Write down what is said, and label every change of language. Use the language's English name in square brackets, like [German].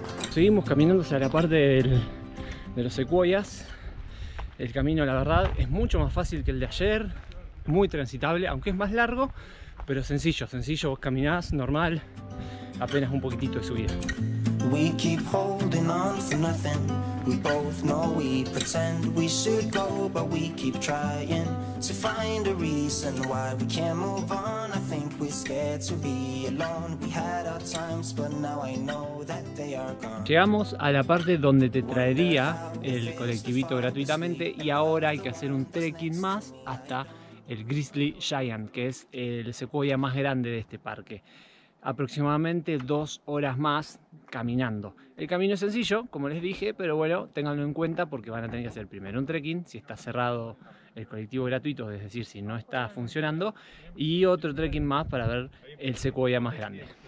[Spanish] Seguimos caminando hacia la parte de los secuoyas. El camino, la verdad, es mucho más fácil que el de ayer, muy transitable, aunque es más largo, pero sencillo, sencillo. Vos caminás normal, apenas un poquitito de subida. [English] We keep holding on for nothing. We both know we pretend we should go, but we keep trying to find a reason why we can't move on. I think we're scared to be alone. We had our times, but now I know that they are gone. [Spanish] Llegamos a la parte donde te traería el colectivito gratuitamente y ahora hay que hacer un trekking más hasta el Grizzly Giant, que es el secuoya más grande de este parque. Aproximadamente 2 horas más caminando. El camino es sencillo, como les dije, pero bueno, ténganlo en cuenta porque van a tener que hacer primero un trekking, si está cerrado el colectivo gratuito, es decir, si no está funcionando, y otro trekking más para ver el secuoya más grande.